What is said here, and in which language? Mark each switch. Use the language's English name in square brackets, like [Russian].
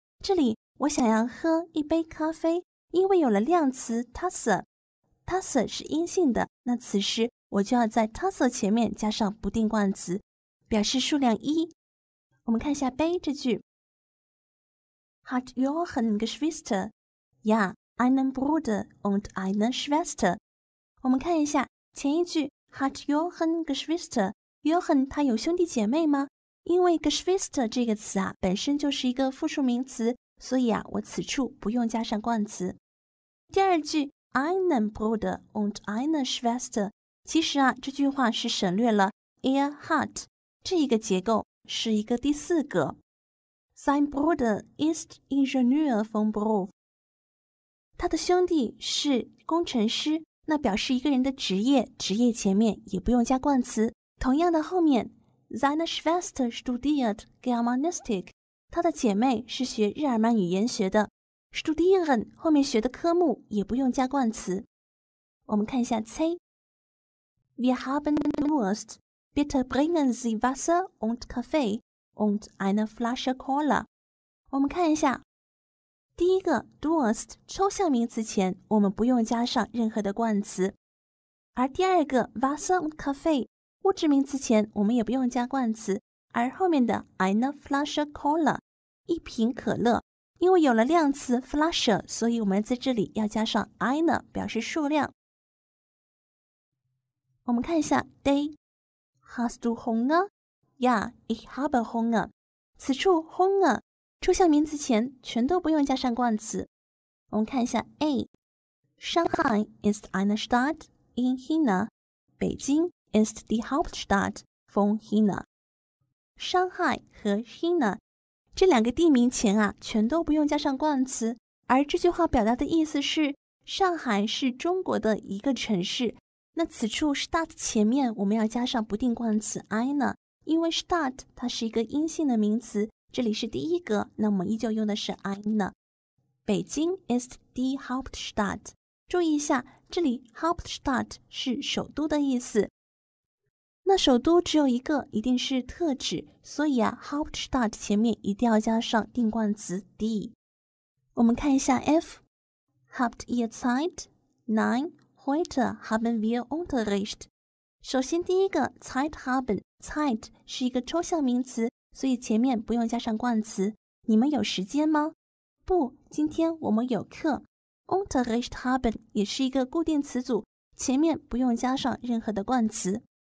[Chinese] 这里我想要喝一杯咖啡，因为有了量词 Tasse， Tasse 是阴性的，那此时我就要在 Tasse 前面加上不定冠词，表示数量一。我们看一下杯这句， [German] Hat Jochen Geschwister? Ja, einen Bruder und eine Schwester。 [Chinese] 我们看一下前一句， [German] Hat Jochen Geschwister? [Chinese] Jochen 他有兄弟姐妹吗？因为 Geschwister 这个词啊本身就是一个复数名词，所以啊我此处不用加上冠词。第二句， [German] Einen Bruder und eine Schwester， [Chinese] 其实啊这句话是省略了 [German] er hat [Chinese] 这一个结构，是一个第四格。 [German] Sein Bruder ist Ingenieur von Beruf， [Chinese] 他的兄弟是工程师，那表示一个人的职业，职业前面也不用加冠词。同样的后面， [German] Seine Schwester studiert Germanistik， [Chinese] 他的姐妹是学日耳曼语言学的， studieren 后面学的科目也不用加冠词。我们看一下 [German] C， Wir haben Durst，Bitte bringen Sie Wasser und Kaffee und eine Flasche Cola。 [Chinese] 我们看一下第一个 Durst 抽象名词前我们不用加上任何的冠词，而第二个 [German] Wasser und Kaffee [Chinese] 物质名词前我们也不用加冠词，而后面的 [German] eine Flasche Cola [Chinese] 一瓶可乐，因为有了量词 Flasche， 所以我们在这里要加上 eine 表示数量。我们看一下 day， [German] Hast du Hunger？ Ja, ich habe Hunger。 [Chinese] 此处 Hunger 抽象名词前全都不用加上冠词。我们看一下 [German] A， Shanghai ist eine Stadt in China， 北京ist die Hauptstadt von China。 [Chinese] Shanghai 和 China 这两个地名前啊全都不用加上冠词，而这句话表达的意思是上海是中国的一个城市，那此处 start 前面我们要加上不定冠词 eine， 因为 start 它是一个阴性的名词，这里是第一个，那我们依旧用的是 eine。北京 [German] ist die Hauptstadt， [Chinese] 注意一下这里 Hauptstadt 是首都的意思，那首都只有一个一定是特指，所以啊 Hauptstadt 前面一定要加上定冠词 die。我们看一下 [German] F， Habt ihr Zeit? Nein, heute haben wir Unterricht。 [Chinese] 首先第一个 [German] Zeit haben， [Chinese] Zeit 是一个抽象名词，所以前面不用加上冠词。你们有时间吗？不，今天我们有课。 [German] Unterricht haben [Chinese] 也是一个固定词组，前面不用加上任何的冠词。